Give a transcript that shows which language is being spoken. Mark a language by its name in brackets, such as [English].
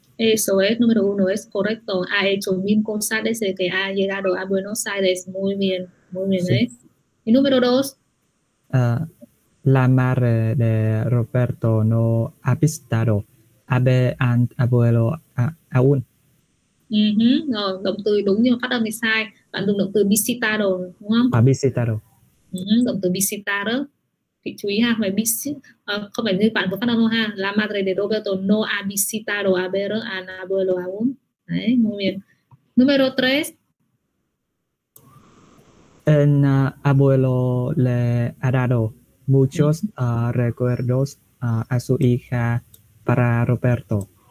[Spanish] Eso es, número uno, es correcto. Ha hecho mil cosas desde que ha llegado a Buenos Aires. Muy bien, sí. ¿Eh? Y número dos. La madre de Roberto no ha visitado a abuelo aún. [Vietnamese] Rồi, động từ đúng nhưng mà phát âm thì sai. Bạn dùng động từ visitado, đúng không? [Spanish] A visitado. [Vietnamese] Động từ visitado. Thì chú ý ha, phải không phải như bạn vừa phát âm ha. [Spanish] La madre de Roberto no ha visitado a ver a abuelo aún. Đấy, muy bien. Número 3. En abuelo le ha dado muchos recuerdos a su hija para Roberto.